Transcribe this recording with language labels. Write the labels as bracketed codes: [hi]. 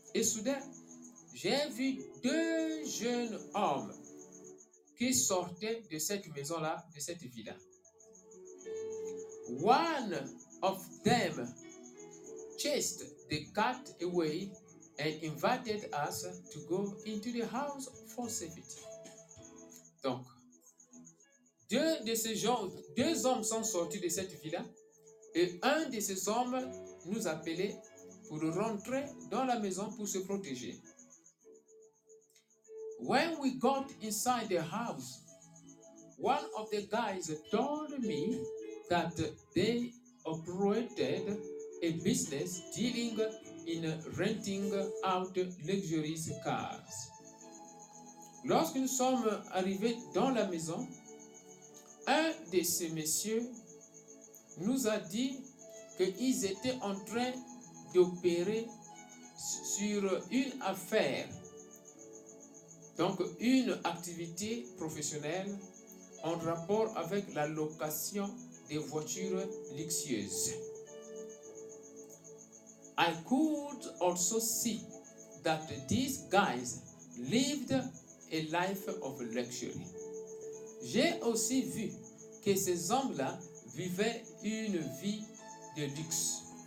[fr] Et soudain, j'ai vu deux jeunes hommes qui sortait de cette maison-là, de cette villa. [en] One of them chased the cat away and invited us to go into the house for safety. [fr] Donc, deux hommes sont sortis de cette villa et un de ces hommes nous appelait pour rentrer dans la maison pour se protéger. [en] When we got inside the house, one of the guys told me that they operated a business dealing in renting out luxurious cars. [fr] Lorsque nous sommes arrivés dans la maison, un de ces messieurs nous a dit qu'ils étaient en train d'opérer sur une affaire. Donc, une activité professionnelle en rapport avec la location des voitures luxueuses. [en] I could also see that these guys lived a life of luxury. [fr] J'ai aussi vu que ces hommes-là vivaient une vie de luxe.